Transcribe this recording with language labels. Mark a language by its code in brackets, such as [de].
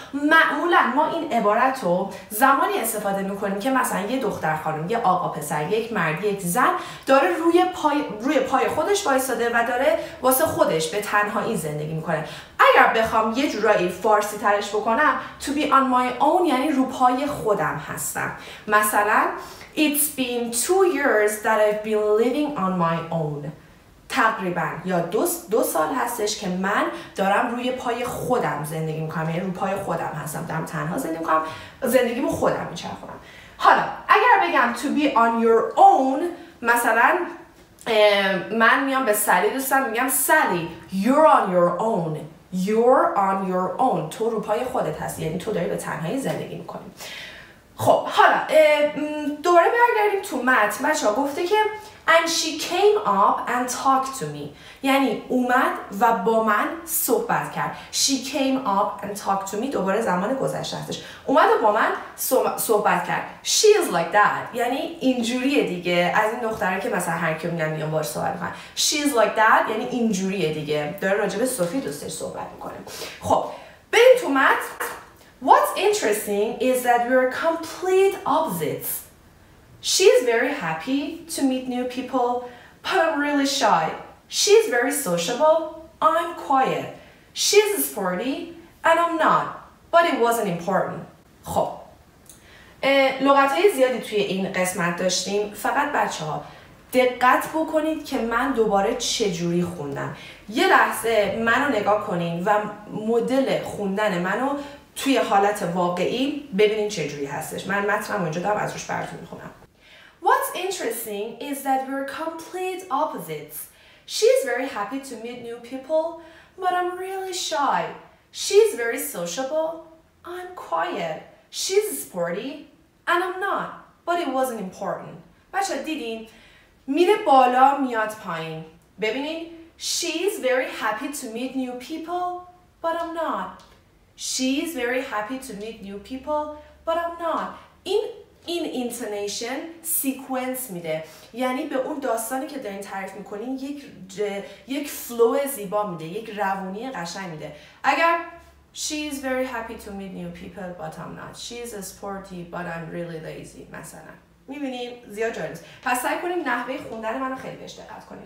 [fa] معمولا ما این عبارت رو زمانی استفاده میکنیم که مثلا یه دختر خانم، یه آقا پسر، یک مرد، یک زن داره روی پای خودش وایساده و داره واسه خودش به تنهایی زندگی میکنه. اگر بخوام یه جورایی فارسی ترش بکنم، [en] to be on my own [fa] یعنی رو پای خودم هستم. [en] مثلا It's been 2 years that I've been living on my own. [fa] تقریبا یا دو سال هستش که من دارم روی پای خودم زندگی میکنم، یعنی روی پای خودم هستم، دارم تنها زندگی میکنم، زندگیمو خودم میچرخونم. حالا اگر بگم [en] to be on your own، [fa] مثلا من میام به سالی دوستم میگم سالی [en] you're on your own، [fa] you're on your own، تو روی پای خودت هستی، یعنی تو داری به تنهایی زندگی میکنی. خب حالا دوباره برگردیم تو متن. بچه ها گفته که [en] And she came up and talked to me. [fa] یعنی اومد و با من صحبت کرد. [en] She came up and talked to me. [fa] دوباره زمان گذشته هستش. اومد و با من صحبت کرد. [en] She is like that. [fa] یعنی اینجوریه دیگه. از این دختره که مثلا هر کی میگن میان باش صحبت میکنن. [en] She is like that. [fa] یعنی اینجوریه دیگه. داره راجب سوفی دوستش صحبت میکنه. خب. بریم تو مت. [en] What's interesting is that we are complete opposites. She is very happy to meet new people, but I'm really shy. She is very sociable, I'm quiet. She is sporty, and I'm not, but it wasn't important. [fa] خب، لغت‌های زیادی توی این قسمت داشتیم. فقط بچه‌ها دقت بکنید که من دوباره چجوری خوندم. یه لحظه منو نگاه کنین و مدل خوندن منو توی حالت واقعی ببینین چجوری هستش. من متنم اونجا دارم از روش براتون می‌خونم. [en] What's interesting is that we're complete opposites. She's very happy to meet new people, but I'm really shy. She's very sociable, I'm quiet. She's sporty, and I'm not, but it wasn't important. [fa] بچه دیدین؟ میره بالا میاد پایین. [en] ببینین؟ She's very happy to meet new people, but I'm not. She's very happy to meet new people, but I'm not. [fa] این intonation سیکونس میده، یعنی به اون داستانی که دارین تعریف میکنین یک فلو زیبا میده، یک روونی قشنگ میده. [en] اگر She is very happy to meet new people but I'm not. She is sporty but I'm really lazy. [fa] مثلا میبینین زیاد جالبه. پس سعی کنیم نحوه خوندن منو خیلی بهش دقت کنیم.